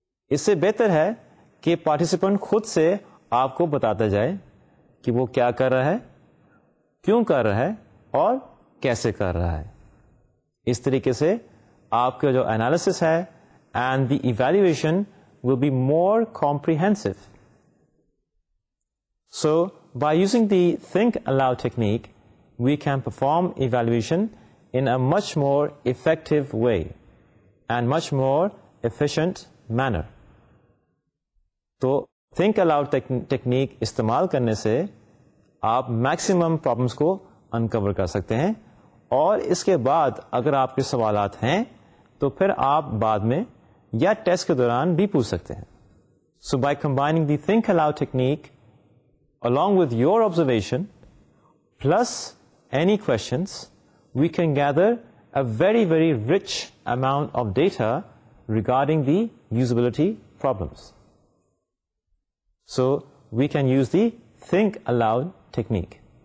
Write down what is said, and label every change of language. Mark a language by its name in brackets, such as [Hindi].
[Urdu] اس سے بہتر ہے کہ پارٹیسپینٹ خود سے آپ کو بتاتا جائے کہ وہ کیا کر رہا ہے, کیوں کر رہا ہے اور کیسے کر رہا ہے. اس طریقے سے آپ کا جو انالیسس ہے [English] And the evaluation will be more comprehensive. So by using the think aloud technique we can perform evaluation in a much more effective way and much more efficient manner. [Urdu] تو think aloud technique استعمال کرنے سے آپ maximum problems کو uncover کر سکتے ہیں, اور اس کے بعد اگر آپ کے سوالات ہیں تو پھر آپ بعد میں یا ٹیسٹ کے دوران بھی پوچھ سکتے ہیں. [English] So by combining the think aloud technique along with your observation, plus any questions, we can gather a very, very rich amount of data regarding the usability problems. So we can use the think aloud technique.